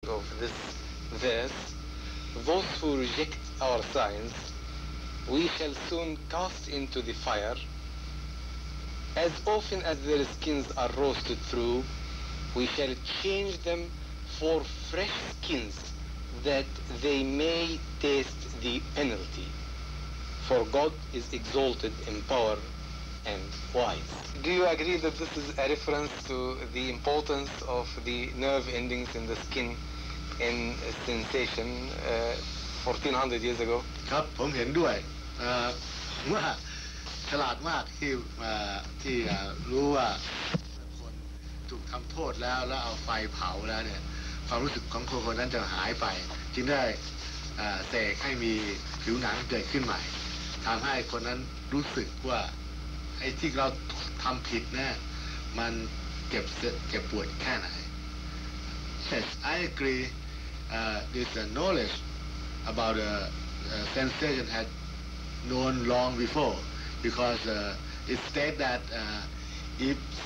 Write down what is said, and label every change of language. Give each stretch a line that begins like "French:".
English: of this that those who reject our signs we shall soon cast into the fire as often as their skins are roasted through we shall change them for fresh skins that they may taste the penalty for God is exalted in power and wise. Do you agree that this is a reference to the importance of the nerve endings in the skin in sensation 1400 years ago?
Thai: ครับผมเห็นด้วยว่าฉลาดมากที่รู้ว่าคนถูกทำโทษแล้วแล้วเอาไฟเผาแล้วเนี่ยความรู้สึกของคนนั้นจะหายไปจึงได้แต่ให้มีผิวหนังเกิดขึ้นใหม่ทำให้คนนั้นรู้สึกว่าไอ้ที่เราทำผิดเนี่ยมันเก็บปวดแค่ไหน
English: Yes, I agree. There's a knowledge about the sensation had known long before, because it states that if